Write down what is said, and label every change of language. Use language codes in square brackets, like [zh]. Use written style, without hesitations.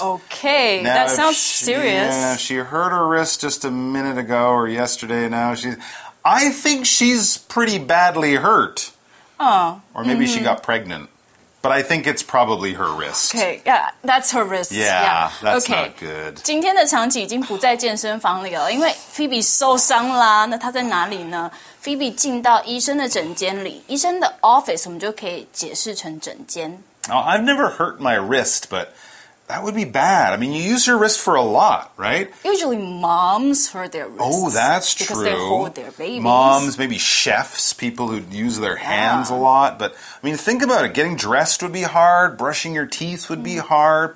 [en] Okay, now, that sounds serious. Yeah, she hurt her wrist just a minute ago or yesterday. Now she's... I think she's pretty badly hurt. Oh. Or maybe she got pregnant. But I think it's probably her wrist. Okay, yeah, that's her wrist. Yeah, that's okay. Not good. [zh] 今天的场景已经不在健身房里了，因为 Phoebe 受伤啦。那她在哪里呢？Phoebe 进到医生的诊间里，医生的 office 我们就可以解释成诊间。 [en] Oh, I've never hurt my wrist, but that would be bad. I mean, you use your wrist for a lot, right? Usually moms hurt their wrists. Oh, that's true. Because they hold their babies. Moms, maybe chefs, people who use their hands a lot. But, I mean, think about it. Getting dressed would be hard. Brushing your teeth would be hard.